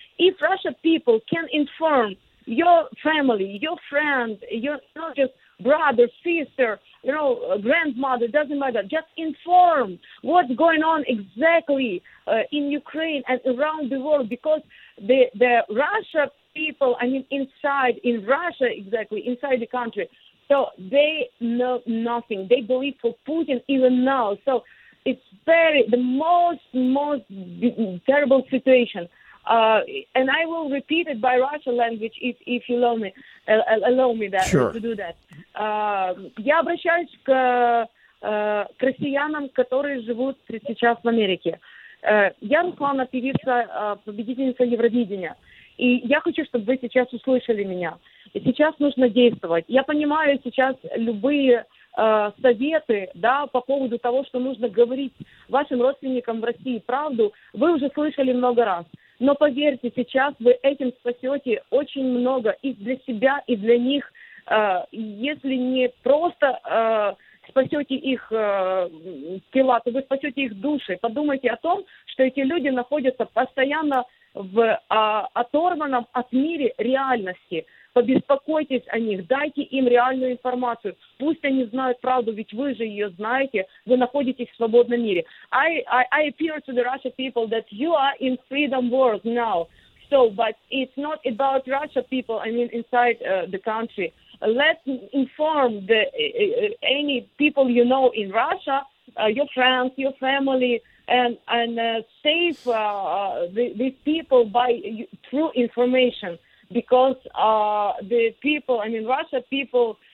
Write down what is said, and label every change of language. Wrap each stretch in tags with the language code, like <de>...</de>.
<en>If Russian people can inform your family, your friend, your not just brother, sister, you know, grandmother, doesn't matter, just inform what's going on exactly in Ukraine and around the world, because the Russian people, I mean, inside, in Russia exactly, inside the country, so they know nothing. They believe for Putin even now. So it's very the most terrible situation. And I will repeat it by Russian language if you allow me. To do that.</en> <ru>Я обращаюсь к россиянам, которые живут сейчас в Америке. Я Руслана, певица, победительница Евровидения. И я хочу, чтобы вы сейчас услышали меня. И сейчас нужно действовать. Я понимаю сейчас любые советы, да, по поводу того, что нужно говорить вашим родственникам в России правду. Вы уже слышали много раз. Но поверьте, сейчас вы этим спасете очень много и для себя, и для них. Если не просто спасете их тела, то вы спасете их души. Подумайте о том, что эти люди находятся постоянно в оторванном от мира реальности. Побеспокойтесь о них, дайте им реальную информацию. Пусть они знают правду, ведь вы же ее знаете. Вы находитесь в свободном мире.</ru> <en>I appeal to the Russian people that you are in freedom world now. So, but it's not about Russian people. I mean, inside the country. Let's inform the any people you know in Russia, your friends, your family, and save these people by true information. Because the people, I mean, Russia people,</en>